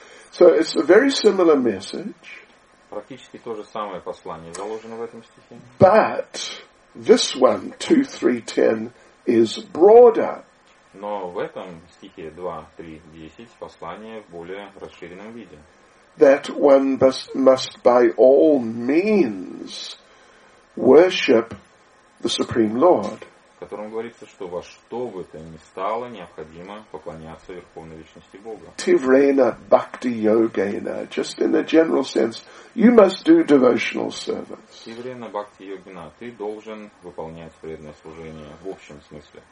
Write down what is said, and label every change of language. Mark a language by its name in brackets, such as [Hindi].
[English] So it's a very similar message. [Russian] Практически то же самое послание заложено в этом стихе. [English] But this one, 2.3.10, is broader. [Russian] Но в этом стихе 2.3.10 послание в более расширенном виде. [English] That one must by all means worship the Supreme Lord. [Russian] В котором говорится, что во что бы то ни стало, необходимо поклоняться Верховной Личности Бога. [English] Tivrena Bhakti Yogena, just in a general sense, you must do devotional service. [Russian] Tivrena Bhakti Yogena, ты должен выполнять преданное служение в общем смысле.